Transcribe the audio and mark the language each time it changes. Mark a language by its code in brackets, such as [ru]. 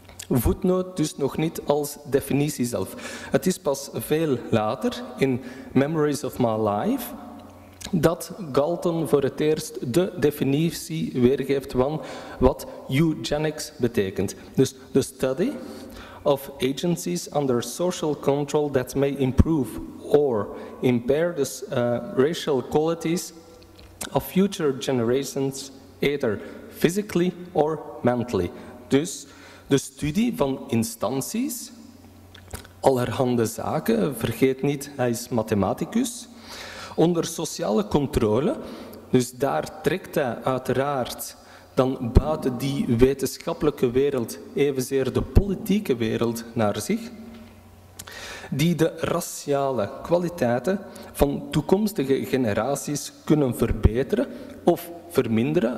[nl] Voetnoot dus nog niet als definitie zelf. Het is pas veel later, in Memories of My Life, dat Galton voor het eerst de definitie weergeeft van wat eugenics betekent. [en] Dus the study of agencies under social control that may improve or impair the racial qualities of future generations, either physically or mentally. [nl] Dus de studie van instanties, allerhande zaken, vergeet niet, hij is mathematicus, onder sociale controle, dus daar trekt hij uiteraard dan baat die wetenschappelijke wereld evenzeer de politieke wereld naar zich, die de raciale kwaliteiten van toekomstige generaties kunnen verbeteren of verminderen.